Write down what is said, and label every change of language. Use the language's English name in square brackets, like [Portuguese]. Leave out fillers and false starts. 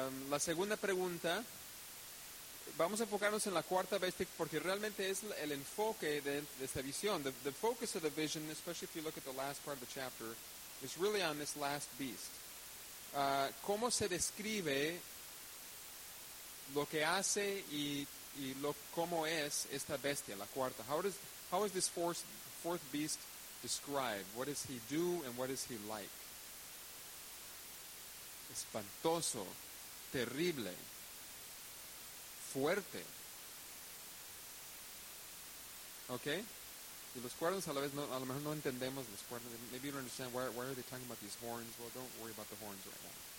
[Spanish] La segunda pregunta, vamos a enfocarnos en la cuarta bestia porque realmente es el enfoque de esta visión. [English] The focus of the vision, especially if you look at the last part of the chapter, is really on this last beast. [Spanish] ¿Cómo se describe lo que hace y lo cómo es esta bestia, la cuarta? [English] How is this fourth beast described? What does he do and what is he like? [Spanish] Espantoso, terrible, fuerte. [English] Okay? [Spanish] Y los cuernos a la vez no, a lo mejor no entendemos los cuernos. [English] Maybe you don't understand why are they talking about these horns? Well, don't worry about the horns right now.